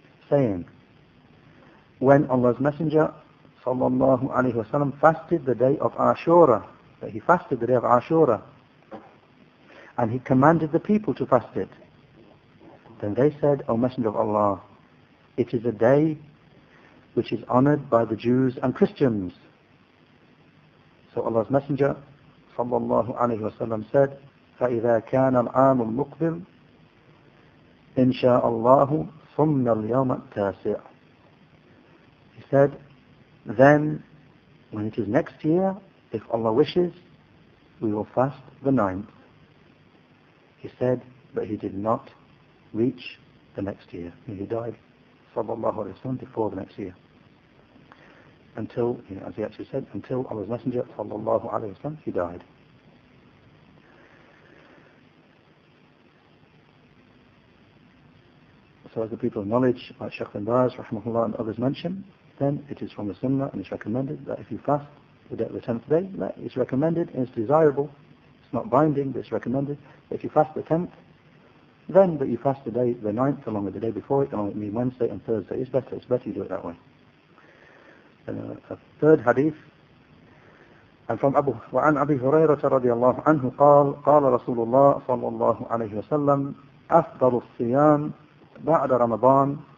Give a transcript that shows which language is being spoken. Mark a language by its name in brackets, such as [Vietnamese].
[English] saying, when Allah's Messenger, sallallahu alayhi wa sallam, fasted the day of Ashura, that he fasted the day of Ashura, and he commanded the people to fast it. Then they said, O Messenger of Allah, it is a day which is honored by the Jews and Christians. So Allah's Messenger, sallallahu alayhi wa sallam, said, [Arabic] فَإِذَا كَانَ الْعَامُ الْمُقْبِلُ إِنْ شَاءَ اللَّهُ صُمَّ الْيَوْمَ التَّاسِعُ. [English] He said, then, when it is next year, if Allah wishes, we will fast the ninth. He said, but he did not reach the next year. He died, sallallahu alayhi wa sallam, before the next year. Until, as he actually said, until Allah's Messenger, sallallahu alayhi wa sallam, he died. So as the people of knowledge, like Shaykh bin Baz, rahimahullah, and others mention, then it is from the Sunnah, and it's recommended that if you fast the 10th day, that it's recommended and it's desirable. It's not binding, but it's recommended. If you fast the 10th, then that you fast the day, the 9th, along with the day before it, along with me, Wednesday and Thursday. It's better you do it that way. And a third hadith, and from Abu, [Arabic] وَعَنْ أَبِي هُرَيْرَةَ رَضِيَ اللَّهُ عَنْهُ قَالَ رَسُولُ اللَّهُ صَلَّى اللَّهُ عَلَيْهِ وَسَلَّمُ أَفْضَلُ الصِّيَامِ بَعْدَ رَمَضَانِ